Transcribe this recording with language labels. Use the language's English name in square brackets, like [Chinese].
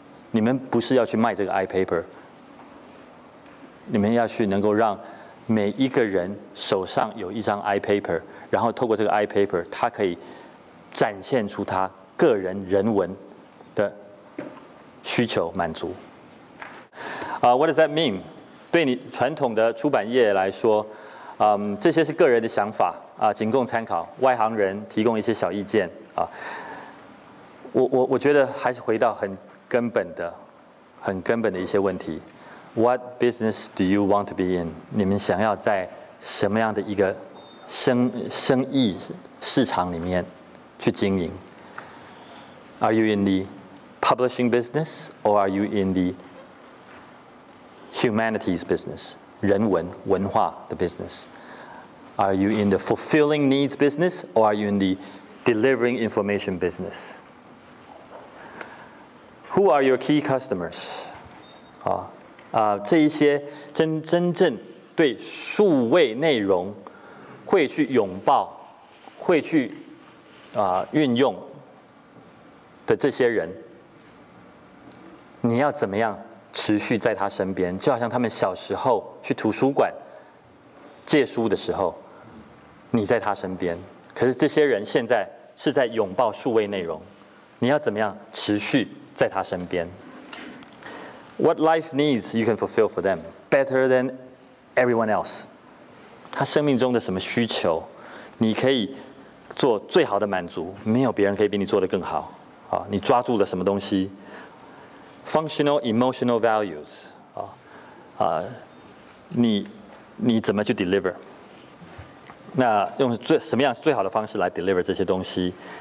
[Chinese] 你们不是要去卖这个 iPaper， 你们要去能够让每一个人手上有一张 iPaper， 然后透过这个 iPaper， 他可以展现出他个人人文的需求满足。 [English] What does that mean？ [Chinese] 对你传统的出版业来说，这些是个人的想法啊，仅供参考，外行人提供一些小意见啊。我觉得还是回到很根本的一些问题。 [English] What business do you want to be in？ [Chinese] 你们想要在什么样的一个生意市场里面去经营 ？ [English] Are you in the publishing business or are you in the humanities business？ [Chinese] 人文文化的 business？ [English] Are you in the fulfilling needs business or are you in the delivering information business？ Who are your key customers？ [Chinese] 这一些真正对数位内容会去拥抱、会去运用的这些人，你要怎么样持续在他身边？就好像他们小时候去图书馆借书的时候，你在他身边。可是这些人现在是在拥抱数位内容，你要怎么样持续在他身边？ [English] What life needs you can fulfill for them better than everyone else. [Chinese] 他生命中的什么需求，你可以做最好的满足，没有别人可以比你做得更好。你抓住了什么东西 ？ [English] Functional emotional values. [Chinese] 你怎么去 deliver？ 那用什么样是最好的方式来 deliver 这些东西？